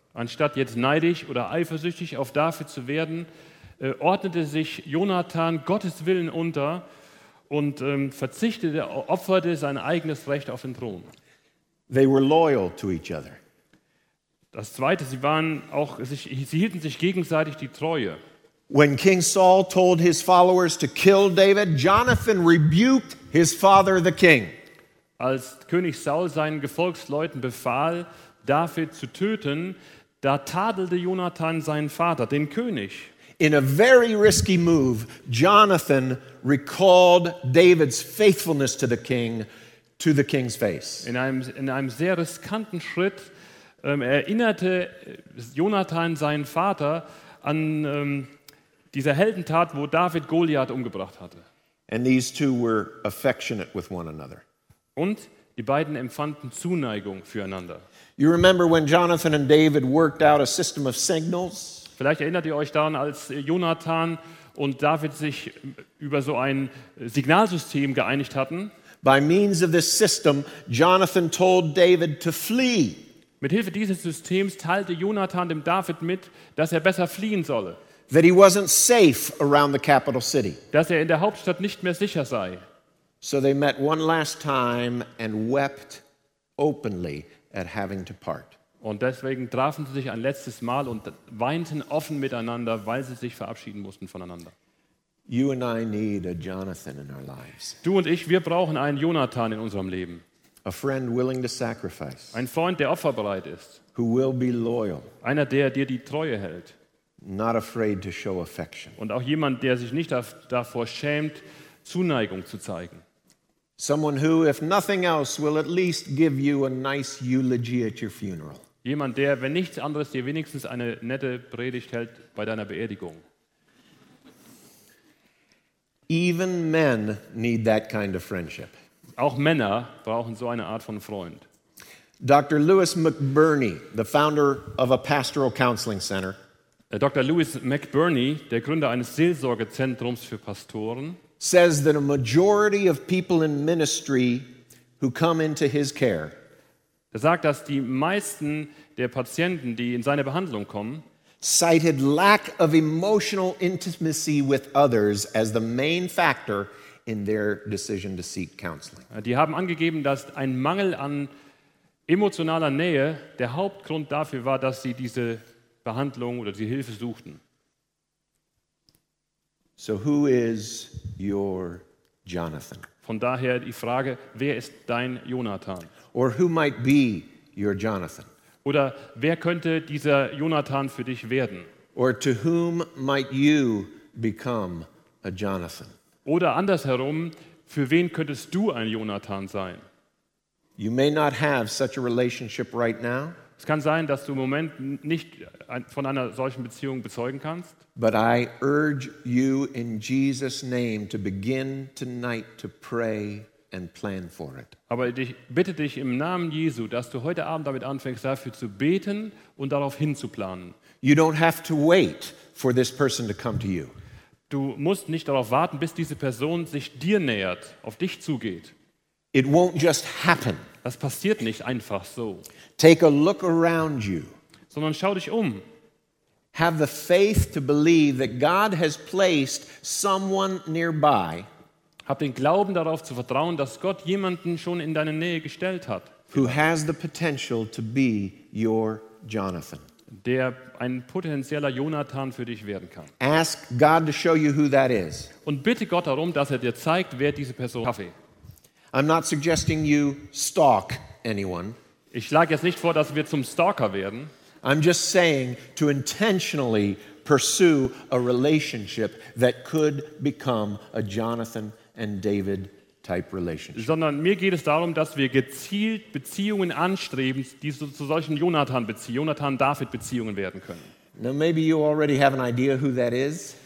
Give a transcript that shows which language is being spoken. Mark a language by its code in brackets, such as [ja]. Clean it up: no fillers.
[de] Anstatt jetzt neidisch oder eifersüchtig auf David zu werden, ordnete sich Jonathan Gottes Willen unter und verzichtete, opferte sein eigenes Recht auf den Thron. [en] They were loyal to each other. [de] Das Zweite, sie hielten sich gegenseitig die Treue. [en] When King Saul told his followers to kill David, Jonathan rebuked his father, the king. [de] Als König Saul seinen Gefolgsleuten befahl, David zu töten, da tadelte Jonathan seinen Vater, den König. [en] In a very risky move, Jonathan recalled David's faithfulness to the king, to the king's face. [de] In einem sehr riskanten Schritt erinnerte Jonathan seinen Vater an dieser Heldentat, wo David Goliath umgebracht hatte. [en] And these two were affectionate with one another. [de] Und die beiden empfanden Zuneigung füreinander. [en] You remember when Jonathan and David worked out a system of signals? [de] Vielleicht erinnert ihr euch daran, als Jonathan und David sich über so ein Signalsystem geeinigt hatten. [en] By means of this system, Jonathan told David to flee. [de] Mit Hilfe dieses Systems teilte Jonathan dem David mit, dass er besser fliehen solle. [en] That he wasn't safe around the capital city. [de] Dass er in der Hauptstadt nicht mehr sicher sei. [en] So they met one last time and wept openly at having to part. [de] Und deswegen trafen sie sich ein letztes Mal und weinten offen miteinander, weil sie sich verabschieden mussten voneinander. [en] You and I need a Jonathan in our lives. [de] Du und ich, wir brauchen einen Jonathan in unserem Leben. [en] A friend willing to sacrifice. [de] Ein Freund, der opferbereit ist. [en] Who will be loyal. [de] Einer, der dir die Treue hält. [en] Not afraid to show affection. [de] Und auch jemand, der sich nicht davor schämt, Zuneigung zu zeigen. [en] Someone who, if nothing else, will at least give you a nice eulogy at your funeral. [de] Jemand, der, wenn nichts anderes, dir wenigstens eine nette Predigt hält bei deiner Beerdigung. [en] Even men need that kind of friendship. [de] Auch Männer brauchen so eine Art von Freund. [en] Dr. Lewis McBurney, the founder of a pastoral counseling center. [de] Dr. Lewis McBurney, der Gründer eines Seelsorgezentrums für Pastoren, [en] says that a majority of people in ministry who come into his care, [de] er sagt, dass die meisten der Patienten, die in seine Behandlung kommen, [en] cited lack of emotional intimacy with others as the main factor in their decision to seek counseling. [de] Die haben angegeben, dass ein Mangel an emotionaler Nähe der Hauptgrund dafür war, dass sie diese Behandlung oder die Hilfe suchten. [en] So who is your Jonathan? [de] Von daher die Frage, wer ist dein Jonathan? [en] Or who might be your Jonathan? [de] Oder wer könnte dieser Jonathan für dich werden? [en] Or to whom might you become a Jonathan? [de] Oder andersherum, für wen könntest du ein Jonathan sein? [en] You may not have such a relationship right now. [de] Es kann sein, dass du im Moment nicht von einer solchen Beziehung bezeugen kannst. [en] But I urge you in Jesus' name to begin tonight to pray and plan for it. [de] Aber ich bitte dich im Namen Jesu, dass du heute Abend damit anfängst, dafür zu beten und darauf hinzuplanen. [en] You don't have to wait for this person to come to you. [de] Du musst nicht darauf warten, bis diese Person sich dir nähert, auf dich zugeht. [en] It won't just happen. [de] Das passiert nicht einfach so. [en] Take a look around you. [de] Sondern schau dich um. [en] Have the faith to believe that God has placed someone nearby. [de] Hab den Glauben darauf zu vertrauen, dass Gott jemanden schon in deine Nähe gestellt hat. [en] Who has the potential to be your Jonathan. [de] Der ein potenzieller Jonathan für dich werden kann. [en] Ask God to show you who that is. [de] Und bitte Gott darum, dass er dir zeigt, wer diese Person ist. [en] I'm not suggesting you stalk anyone. [de] Ich schlage jetzt nicht vor, dass wir zum Stalker werden. [en] I'm just saying to intentionally pursue a relationship that could become a Jonathan and David type relationship. [de] Sondern mir geht es darum, dass wir gezielt Beziehungen anstreben, die zu solchen Jonathan-David-Beziehungen werden können. [en] Now maybe you already have an idea who that is.